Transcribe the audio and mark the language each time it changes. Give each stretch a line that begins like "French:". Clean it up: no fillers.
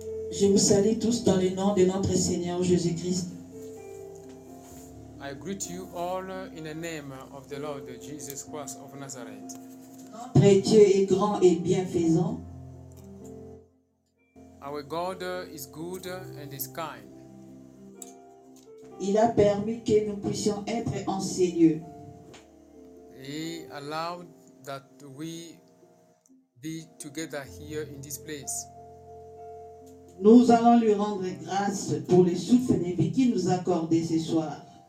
French: Je vous salue tous dans le nom de notre Seigneur Jésus-Christ.
English: I greet you all in the name of the Lord Jesus Christ of Nazareth.
French: Notre Dieu est grand et bienfaisant.
English: Our God is good and is kind.
French: Il a permis que nous puissions être en ces lieux.
English: He allowed that we be together here in this place.
French: Nous allons lui rendre grâce pour les souffles de vie qu'il nous a accordé ce soir.